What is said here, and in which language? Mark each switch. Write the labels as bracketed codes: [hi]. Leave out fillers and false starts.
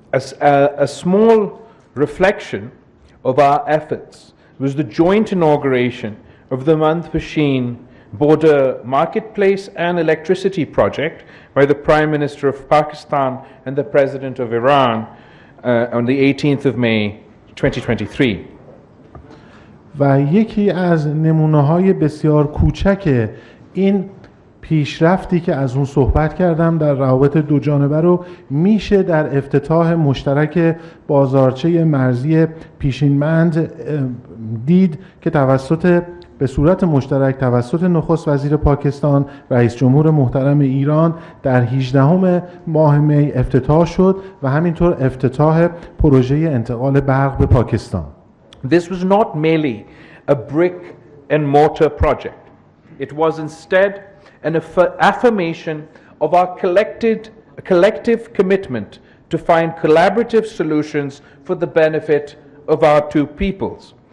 [en] A small reflection of our efforts was the joint inauguration of the Mandh-Pashin border marketplace and electricity project by the Prime Minister of Pakistan and the President of Iran on the 18th of May 2023. [fa] و یکی از نمونه‌های بسیار کوچک این پیشرفتی که از اون صحبت کردم در روابط دو جانبه رو میشه در افتتاح مشترک بازارچه مرزی پیشینمند دید که توسط به صورت مشترک توسط نخست وزیر پاکستان رئیس جمهور محترم ایران در 18 ماه می افتتاح شد و همینطور افتتاح پروژه انتقال برق به پاکستان. [en] This was not merely a brick and mortar project. It was instead an affirmation of our collective commitment to find collaborative solutions for the benefit of our two peoples.